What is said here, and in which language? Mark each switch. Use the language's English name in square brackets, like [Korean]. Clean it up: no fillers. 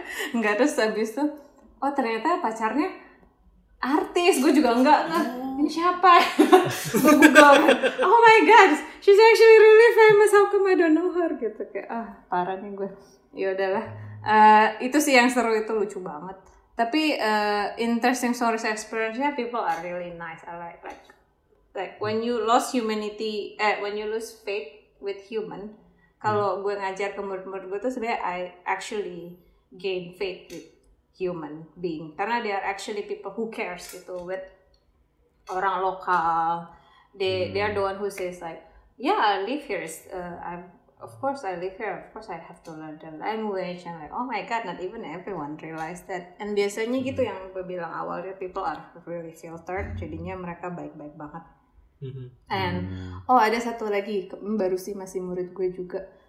[Indonesian] Enggak, terus abis itu, oh ternyata pacarnya artis, gue juga enggak, ini siapa? Gue google, [English] oh my god, she's actually really famous, how come I don't know her? [Indonesian] Gitu, kayak, ah, parah nih gue. Yaudahlah, itu sih yang seru, itu lucu banget. Tapi, [English] interesting stories experience-nya, people are really nice, I like, when you lose humanity, when you lose faith with human, [Indonesian] kalau gue ngajar ke murid-murid gue tuh sebenarnya [English] I actually gain faith with human being, [Indonesian] karena [English] they are actually people who cares gitu with [Indonesian] orang lokal. [English] They are the one who says like, yeah, I live here. Of course, I have to learn the language and like, oh my god, not even everyone realize that. [Indonesian] And biasanya gitu yang gue bilang awalnya, [English] people are really filtered. [Indonesian] Jadinya mereka baik-baik banget. And ada satu lagi baru sih, masih murid gue juga.